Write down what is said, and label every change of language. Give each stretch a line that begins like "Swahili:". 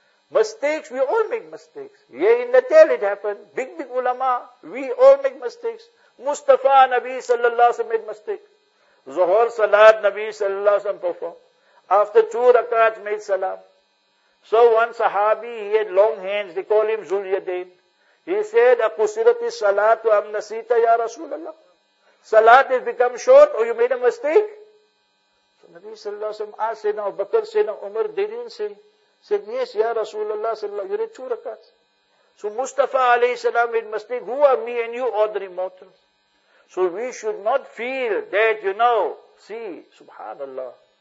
English: Mistakes, we all make mistakes. Yeah, in the tail it happened. Big ulama, we all make mistakes. Mustafa, Nabi sallallahu alayhi wa sallam made mistakes. Zuhur salat, Nabi sallallahu alayhi wa sallam performed. After two rakats made salam. So one sahabi, he had long hands, they call him Zulyadain. He said,
Arabic: أَقُسِرَتِ السَّلَاةُ أَمْ نَسِيتَ يَا رَسُولَ اللَّهِ.
English: Salat has become short, or you made a mistake? So Nabi sallallahu alayhi wa sallam asked, Sayyidina Bakr, Sayyidina Umar, they didn't say. Said, yes, Ya Rasulullah sallallahu, you read two rakats. So Mustafa alayhi salam made mistake, who are me and you ordering mortals? So we should not feel that, you know, see, subhanallah.